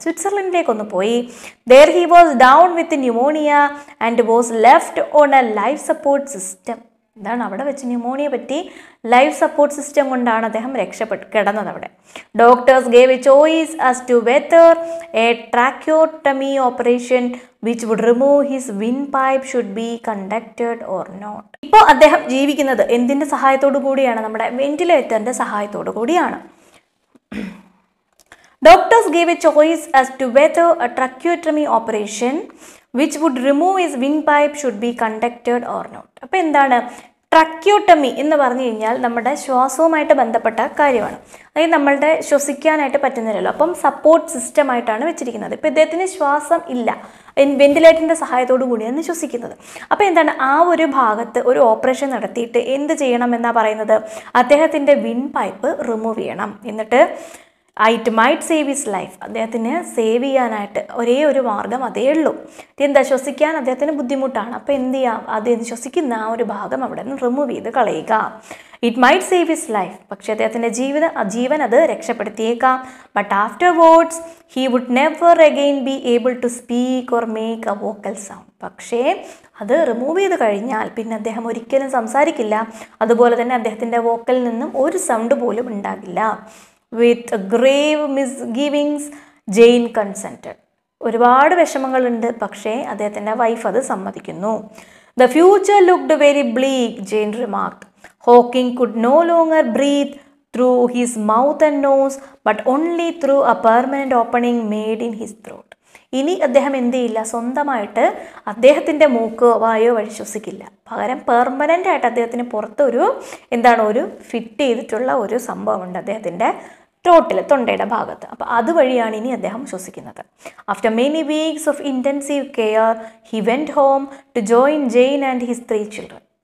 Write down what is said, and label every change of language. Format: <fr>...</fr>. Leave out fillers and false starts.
<ml>സ്വിറ്റ്സർലൻഡിലേക്കൊന്ന് പോയി.</ml> <en>There he was down with pneumonia and was left on a life support system.</en> <ml>എന്താണ് അവിടെ വെച്ച് pneumonia പറ്റി, ലൈഫ് സപ്പോർട്ട് സിസ്റ്റം കൊണ്ടാണ് അദ്ദേഹം രക്ഷപ്പെട്ട് കിടന്നത് അവിടെ.</ml> <en>Doctors gave a choice as to whether a tracheotomy operation which would remove his windpipe should be conducted or not.</en> <ml>ഇപ്പോ അദ്ദേഹം ജീവിക്കുന്നത് എന്തിന്റെ സഹായത്തോട് കൂടിയാണ്? നമ്മുടെ വെന്റിലേറ്ററിന്റെ സഹായത്തോട് കൂടിയാണ്.</ml> <en>Doctors gave a choice as to whether a tracheotomy operation which would remove his windpipe should be conducted or not.</en> <ml>അപ്പോൾ എന്താണ് ട്രക്യോട്ടമി എന്ന് പറഞ്ഞു കഴിഞ്ഞാൽ? നമ്മുടെ ശ്വാസവുമായിട്ട് ബന്ധപ്പെട്ട കാര്യമാണ്. അതായത് നമ്മളുടെ ശ്വസിക്കാനായിട്ട് പറ്റുന്നില്ലല്ലോ, അപ്പം സപ്പോർട്ട് സിസ്റ്റം ആയിട്ടാണ് വെച്ചിരിക്കുന്നത്. ഇപ്പം ഇദ്ദേഹത്തിന് ശ്വാസം ഇല്ല, വെന്റിലേറ്ററിൻ്റെ സഹായത്തോടു കൂടിയാണ് ശ്വസിക്കുന്നത്. അപ്പോൾ എന്താണ് ആ ഒരു ഭാഗത്ത് ഒരു ഓപ്പറേഷൻ നടത്തിയിട്ട് എന്ത് ചെയ്യണമെന്നാണ് പറയുന്നത്? അദ്ദേഹത്തിൻ്റെ വിൻപൈപ്പ് റിമൂവ് ചെയ്യണം. എന്നിട്ട്</ml> <en>It might save his life.</en> <ml>അദ്ദേഹത്തിന് സേവ് ചെയ്യാനായിട്ട് ഒരേ ഒരു മാർഗം അതേ ഉള്ളൂ. എന്താ, ശ്വസിക്കാൻ അദ്ദേഹത്തിന് ബുദ്ധിമുട്ടാണ്. അപ്പോൾ എന്ത് ചെയ്യാം? അദ്ദേഹം ശ്വസിക്കുന്ന ആ ഒരു ഭാഗം അവിടെ നിന്ന് റിമൂവ് ചെയ്ത് കളയുക.</ml> <en>It might save his life.</en> <ml>പക്ഷേ അദ്ദേഹത്തിൻ്റെ ജീവൻ അത് രക്ഷപ്പെടുത്തിയേക്കാം.</ml> <en>But afterwards he would never again be able to speak or make a vocal sound.</en> <ml>പക്ഷേ അത് റിമൂവ് ചെയ്ത് കഴിഞ്ഞാൽ പിന്നെ അദ്ദേഹം ഒരിക്കലും സംസാരിക്കില്ല. അതുപോലെ തന്നെ അദ്ദേഹത്തിൻ്റെ വോക്കലിൽ നിന്നും ഒരു സൗണ്ട് പോലും ഉണ്ടാകില്ല.</ml> <en>With grave misgivings, Jane consented.</en> <ml>ഒരുപാട് വിഷമങ്ങളുണ്ട്, പക്ഷേ അദ്ദേഹത്തിൻ്റെ വൈഫ് അത് സമ്മതിക്കുന്നു.</ml> <en>The future looked very bleak, Jane remarked. Hawking could no longer breathe through his mouth and nose, but only through a permanent opening made in his throat.</en> <ml>ഇനി അദ്ദേഹം എന്ത് ചെയ്യില്ല? സ്വന്തമായിട്ട് അദ്ദേഹത്തിൻ്റെ മൂക്കോ വായോ വഴി ശ്വസിക്കില്ല. പകരം പെർമനൻ്റായിട്ട് അദ്ദേഹത്തിന് പുറത്തൊരു എന്താണ് ഒരു ഫിറ്റ് ചെയ്തിട്ടുള്ള ഒരു സംഭവമുണ്ട് അദ്ദേഹത്തിൻ്റെ ട്രോട്ടിൽ, തൊണ്ടയുടെ ഭാഗത്ത്. അപ്പോൾ അതുവഴിയാണ് ഇനി അദ്ദേഹം ശ്വസിക്കുന്നത്.</ml> <en>After many weeks of intensive care he went home to join Jane and his three children.</en>